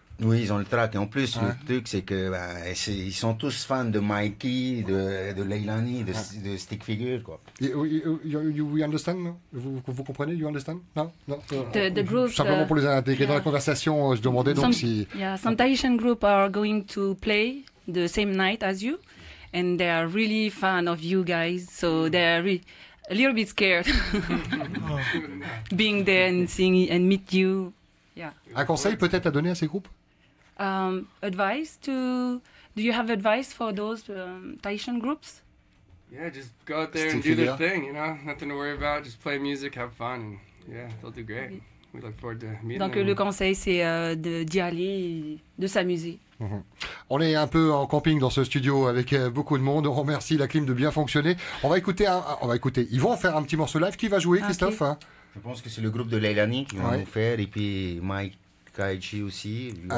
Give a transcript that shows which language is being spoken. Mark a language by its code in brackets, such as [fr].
[fr] Oui, ils ont le track. Et en plus, le truc, c'est que ils sont tous fans de Mikey, de Leilani, de Stick Figure, quoi. [en] You understand? [fr] Vous comprenez? [en] You understand? No? The group, [fr] simplement pour les intégrer dans la conversation, je demandais donc si... [en] Yeah, some Tahitian group are going to play the same night as you, and they are really fan of you guys, so they are a little bit scared being there and seeing and meet you. Yeah. [fr] Un conseil peut-être à donner à ces groupes? [en] Do you have advice for those Tahitian groups? Yeah, just go out there and do their thing, you know, nothing to worry about, just play music, have fun, and yeah, they'll do great. Okay. We look forward to meeting [fr] Donc [en] them. [fr] Le conseil c'est d'y aller, de s'amuser. On est un peu en camping dans ce studio avec beaucoup de monde. On remercie la clim de bien fonctionner. On va écouter. Ils vont faire un petit morceau live. Qui va jouer, Christophe? Je pense que c'est le groupe de Leilani qui va nous faire. Et puis Mike Kaichi aussi.